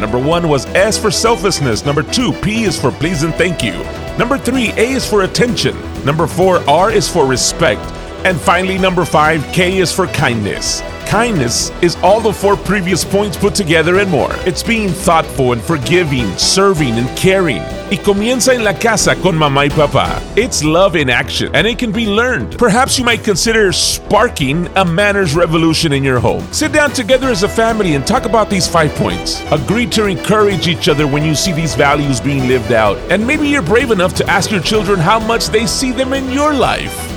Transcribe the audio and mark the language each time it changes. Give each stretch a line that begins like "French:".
English: Number 1 was S for selflessness. Number 2, P is for please and thank you. Number 3, A is for attention. Number 4, R is for respect. And finally, number 5, K is for kindness. Kindness is all the 4 previous points put together and more. It's being thoughtful and forgiving, serving and caring.
Spanish: Y comienza en la casa con mamá y papá.
English: It's love in action, and it can be learned. Perhaps you might consider sparking a manners revolution in your home. Sit down together as a family and talk about these 5 points. Agree to encourage each other when you see these values being lived out. And maybe you're brave enough to ask your children how much they see them in your life.